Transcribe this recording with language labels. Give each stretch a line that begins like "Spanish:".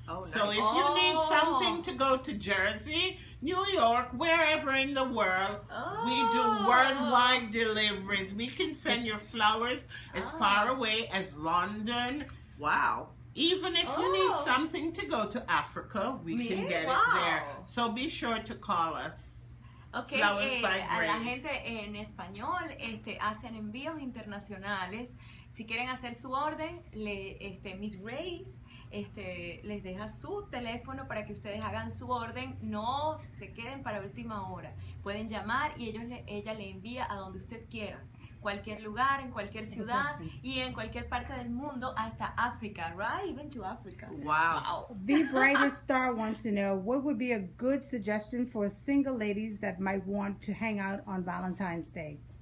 English: If you need something to go to Jersey, New York, wherever in the world, we do worldwide deliveries. We can send your flowers as far away as London. Wow. Even if you need something to go to Africa, we can get it there. So be sure to call us. Okay, Flowers by Grace.
Spanish: La gente en español hacen envíos internacionales. Si quieren hacer su orden, Miss Grace les deja su teléfono para que ustedes hagan su orden. No se queden para última hora. Pueden llamar y ella le envía a donde usted quiera. Cualquier lugar, en cualquier ciudad y en cualquier parte del mundo, hasta África,
English: right? Even to Africa. Wow. The Brightest Star wants to know, what would be a good suggestion for single ladies that might want to hang out on Valentine's Day?